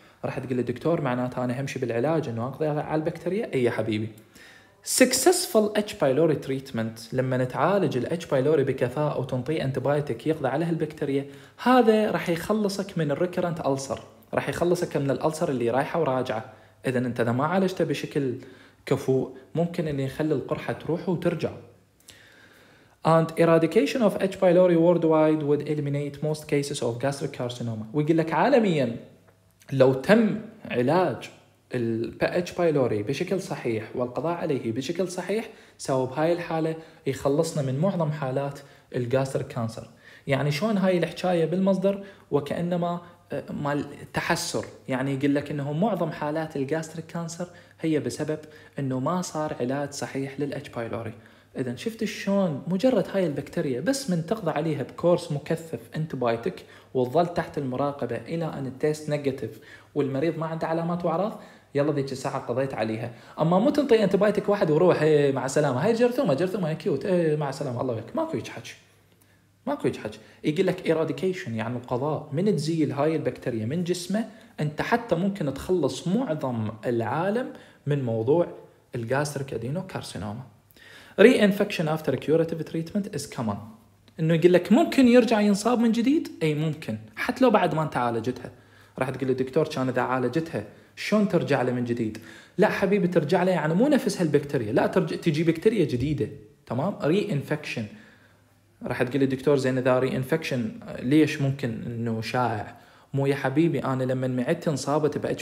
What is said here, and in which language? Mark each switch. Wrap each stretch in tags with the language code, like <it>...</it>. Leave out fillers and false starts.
<ar>راح تقول الدكتور معناته انا همشي بالعلاج انه اقضي على البكتيريا؟ اي يا حبيبي،</ar> <en>successful H pylori treatment</en> <ar>لما نتعالج الاتش بايلوري بكفاءه وتنطيه انتبايتك يقضي على هالبكتيريا، هذا راح يخلصك من الريكرنت ألسر، راح يخلصك من الألسر اللي رايحه وراجعه. اذا انت اذا ما عالجته بشكل كفو ممكن ان يخلي القرحه تروح وترجع.</ar> <en>And eradication of H. pylori worldwide would eliminate most cases of gastric carcinoma.</en> <ar>ويقول لك عالميا لو تم علاج الـ H. pylori بشكل صحيح والقضاء عليه بشكل صحيح، سوى بهاي الحالة يخلصنا من معظم حالات الجاستر كانسر. يعني شون هاي الحكاية بالمصدر وكأنما مال تحسر، يعني يقول لك أنه معظم حالات الجاستر كانسر هي بسبب أنه ما صار علاج صحيح للـ H. pylori. إذا شفت شون مجرد هاي البكتيريا بس من تقضي عليها بكورس مكثف انتبايتك وظل تحت المراقبة إلى أن التيست نيجاتيف والمريض ما عنده علامات وأعراض، يلا ذيك الساعة قضيت عليها. أما مو تنطي انتبايتك واحد وروح مع السلامة، هاي جرثومة جرثومة كيوت مع السلامة الله يك، ماكو هيك حكي، ماكو يجحج. يقول لك إيراديكيشن يعني القضاء، من تزيل هاي البكتيريا من جسمه أنت حتى ممكن تخلص معظم العالم من موضوع الغاستريك أدينو كارسينوما.</ar> <en>Reinfection after curative treatment is common.</en> <ar>إنه يقول لك ممكن يرجع ينصاب من جديد؟ أي ممكن، حتى لو بعد ما أنت عالجتها. راح تقول الدكتور كان إذا عالجتها شون ترجع له من جديد؟ لا حبيبي ترجع له يعني مو نفس هالبكتيريا، لا ترجع تجي بكتيريا جديدة، تمام؟ Reinfection. راح تقول الدكتور زين إذا Reinfection ليش ممكن إنه شائع؟ مو يا حبيبي أنا لما معدت انصابت بـ H.</ar>